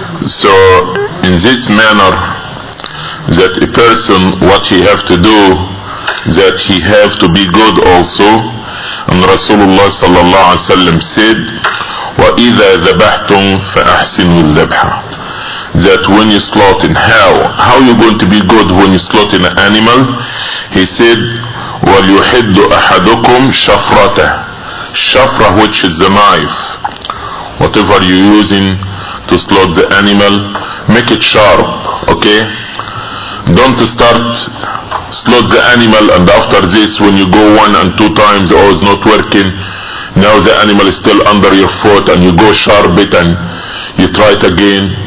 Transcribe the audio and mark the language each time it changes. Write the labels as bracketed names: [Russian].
[English] So in this manner, that a person, what he have to do, that he have to be good also. And Rasulullah sallallahu alaihi wasallam said, [Arabic] وَإِذَا ذَبَحْتُمْ فَأَحْسِنُوا الذَّبْحَ. [English] That when you slaughter in hell, how you going to be good when you slaughter an animal? He said, [Arabic] وَلْيُحِدُّ أَحَدُكُمْ شَفْرَتَهُ. [English] Shafra, which is the knife. Whatever you're using to slaughter the animal, make it sharp, okay? Don't start slaughter the animal and after this, when you go one and two times, or it's not working, now the animal is still under your foot and you go sharp it and you try it again.